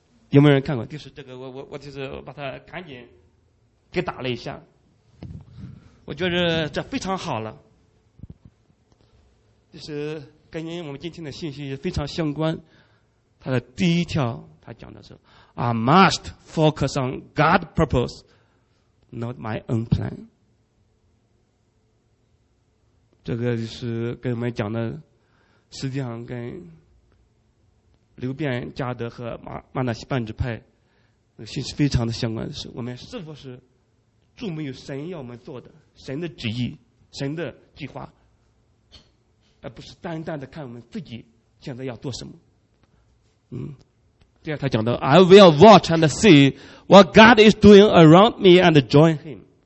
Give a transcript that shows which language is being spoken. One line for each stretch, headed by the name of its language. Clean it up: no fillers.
Chinese: 有没有人看过？就是这个，我就是把它赶紧给打了一下，我觉得这非常好了，就是跟我们今天的信息非常相关。它的第一条，它讲的是
English: I must focus on God's purpose, not my own plan。
Chinese: 这个就是跟我们讲的，实际上跟流变加德和马纳西半支派信息非常的相关的是，我们是否是注目于神要我们做的神的旨意、神的计划，而不是单单的看我们自己现在要做什么。第二，他讲的
English: I will watch and see what God is doing around me and join him。